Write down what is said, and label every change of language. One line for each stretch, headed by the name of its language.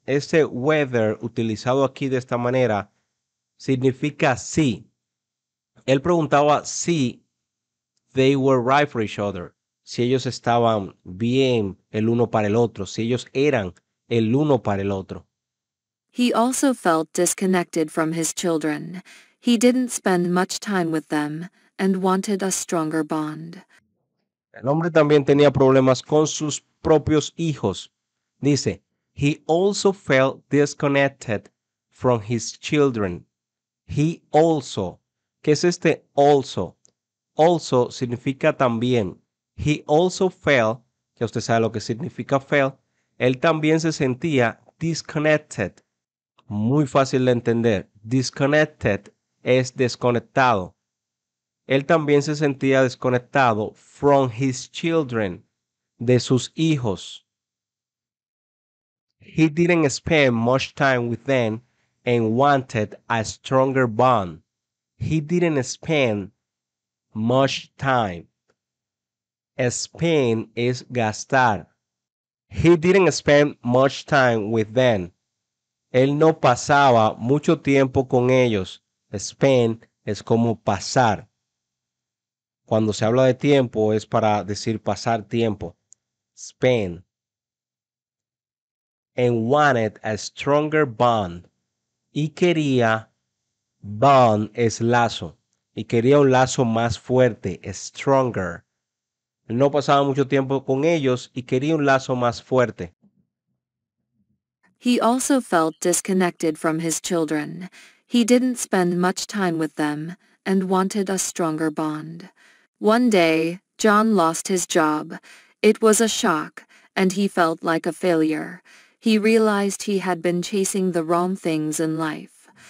Spanish: Ese whether utilizado aquí de esta manera significa si. Él preguntaba si
English: they were right for each other.
Spanish: Si ellos estaban bien el uno para el otro. Si ellos eran el uno para el otro.
English: He also felt disconnected from his children. He didn't spend much time with them and wanted a stronger bond.
Spanish: El hombre también tenía problemas con sus propios hijos. Dice,
English: he also felt disconnected from his children. He also,
Spanish: ¿qué es este also? Also significa también.
English: He also felt,
Spanish: ya usted sabe lo que significa felt, él también se sentía disconnected. Muy fácil de entender. Disconnected es desconectado. Él también se sentía desconectado
English: from his children,
Spanish: de sus hijos.
English: He didn't spend much time with them and wanted a stronger bond. He didn't spend much time.
Spanish: Spend es gastar.
English: He didn't spend much time with them.
Spanish: Él no pasaba mucho tiempo con ellos. Spend es como pasar. Cuando se habla de tiempo, es para decir pasar tiempo.
English: Spend. And wanted a stronger bond.
Spanish: Y quería, bond es lazo. Y quería un lazo más fuerte, stronger. No pasaba mucho tiempo con ellos y quería un lazo más fuerte.
English: He also felt disconnected from his children. He didn't spend much time with them and wanted a stronger bond. One day, John lost his job. It was a shock, and he felt like a failure. He realized he had been chasing the wrong things in life.